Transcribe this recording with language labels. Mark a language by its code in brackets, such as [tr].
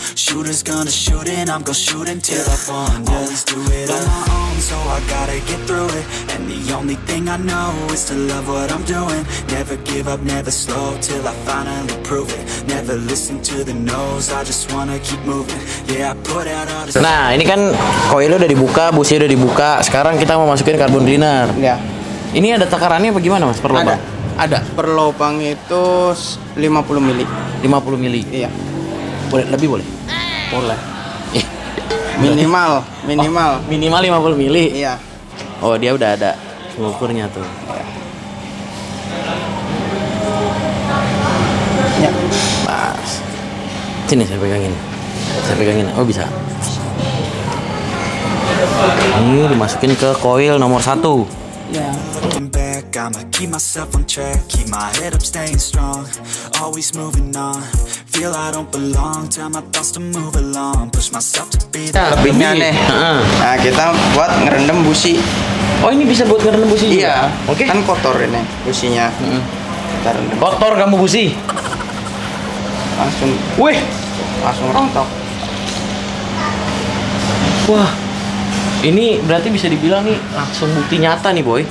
[en] Shooters gonna shoot and I'm gonna shoot until I fall. Yeah. Always do it on my own, so I gotta get through it. And the only only thing I know is to love what I'm doing. Never give up, never slow till I finally prove it. Never listen to the no's, I just wanna keep moving. Yeah, I put out all the... [id] Nah, ini kan koilnya udah dibuka, busnya udah dibuka. Sekarang kita mau masukin karbon cleaner. Ya. Ini ada takarannya apa gimana, Mas? Perlubang? Ada. Perlubang itu 50 mili. 50 mili. Iya. Boleh lebih boleh? Boleh. Minimal, minimal. Oh, minimal 50 mili. Iya. Oh, dia udah ada ukurnya tuh. Ya. Mas. Sini saya pegangin. Saya pegangin. Oh, bisa. Ini dimasukin ke coil nomor 1. [en] I'ma keep myself on track, keep my head up staying strong, always moving on, feel I don't belong, tell my thoughts to move along, push myself to be the... [id] Lebihnya nih, nah kita buat ngerendam busi. Oh, ini bisa buat ngerendam busi juga? Iya, okay. Kan kotor ini businya. Kita rendam. Kotor kamu busi? Langsung. Wih! Langsung rontok. Wah, ini berarti bisa dibilang nih langsung bukti nyata nih, Boy.